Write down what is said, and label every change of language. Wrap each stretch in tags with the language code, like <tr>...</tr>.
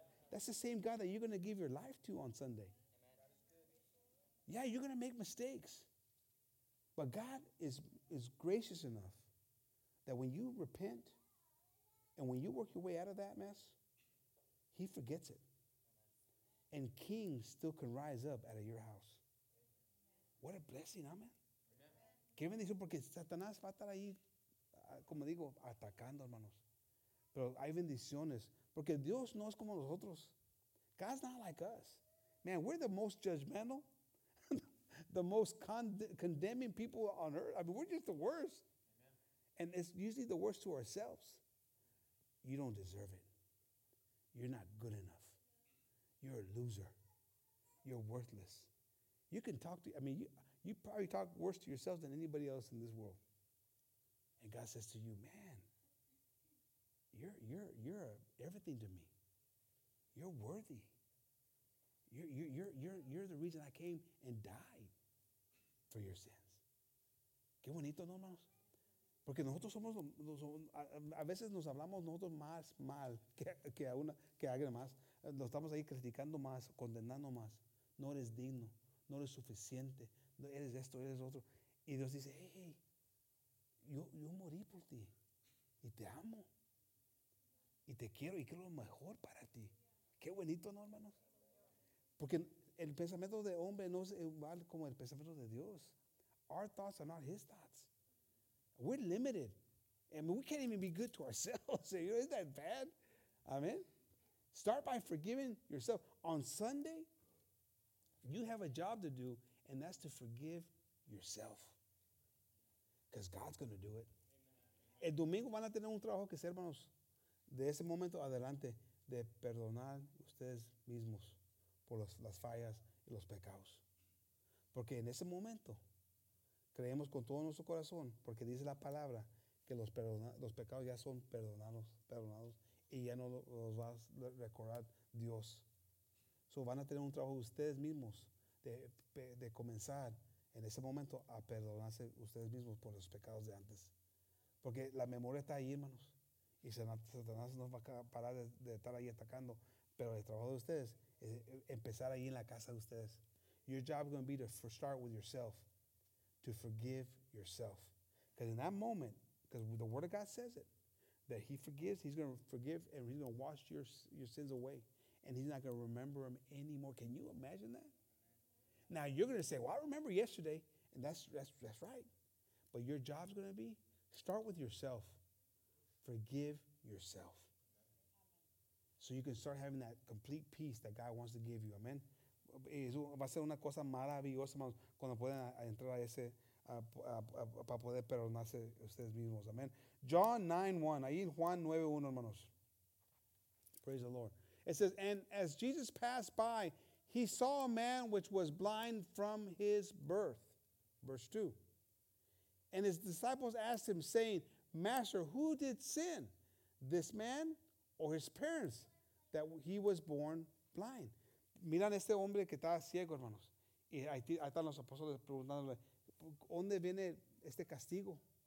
<en>That's the same God that you're going to give your life to on Sunday. Yeah, you're going to make mistakes. But God is gracious enough that when you repent and when you work your way out of that mess, he forgets it. And kings still can rise up out of your house. What a blessing, amen.</en> <es>Qué bendición, porque Satanás va a estar ahí, como digo, atacando, hermanos. Pero hay bendiciones, porque Dios no es como nosotros.</es> <en>God's not like us. Man, we're the most judgmental, the most condemning people on earth. I mean, we're just the worst. And it's usually the worst to ourselves. You don't deserve it. You're not good enough. You're a loser. You're worthless. You probably talk worse to yourself than anybody else in this world. And God says to you, man, you're everything to me. You're worthy. You're the reason I came and died for your sins.</en> <es>Qué bonito, ¿no, hermanos? Porque nosotros somos, a veces nos hablamos nosotros más mal que alguien más. Nos estamos ahí criticando más, condenando más. No eres digno, no eres suficiente, no eres esto, eres otro. Y Dios dice, hey, yo morí por ti y te amo y te quiero y quiero lo mejor para ti. Qué bonito, ¿no, hermanos? Porque el pensamiento de hombre no es igual como el pensamiento de Dios.</es> <en>Our thoughts are not his thoughts. We're limited. I mean, we can't even be good to ourselves. You know, isn't that bad? Amen. Start by forgiving yourself. On Sunday, you have a job to do, and that's to forgive yourself. Because God's going to do it. Amen.</en> <es>El domingo van a tener un trabajo que hacer, hermanos, de ese momento adelante, de perdonar ustedes mismos por las fallas y los pecados. Porque en ese momento creemos con todo nuestro corazón, porque dice la palabra que los pecados ya son perdonados y ya no los va a recordar Dios. So van a tener un trabajo ustedes mismos de comenzar en ese momento a perdonarse ustedes mismos por los pecados de antes. Porque la memoria está ahí, hermanos. Y Satanás no va a parar de estar ahí atacando. Pero el trabajo de ustedes es empezar ahí en la casa de ustedes.</es> <en>Your job is going to be to first start with yourself. To forgive yourself. Because in that moment, because the word of God says it, that he forgives, he's going to forgive and he's going to wash your sins away. And he's not going to remember them anymore. Can you imagine that? Now you're going to say, well, I remember yesterday. And that's right. But your job is going to be, start with yourself. Forgive yourself. So you can start having that complete peace that God wants to give you. Amen.</en> <es>Eso va a ser una cosa maravillosa, hermanos, cuando puedan entrar a ese, para poder perdonarse ustedes mismos.</es> <en>Amen. John 9:1.</en> <es>Ahí en Juan 9:1, hermanos.</es> <en>Praise the Lord. It says, and as Jesus passed by, he saw a man which was blind from his birth. Verse 2. And his disciples asked him, saying, Master, who did sin, this man or his parents, that he was born blind?</en> <es>Miran este hombre que estaba ciego, hermanos. Y ahí están los apóstoles preguntándole, ¿dónde viene este castigo?</es>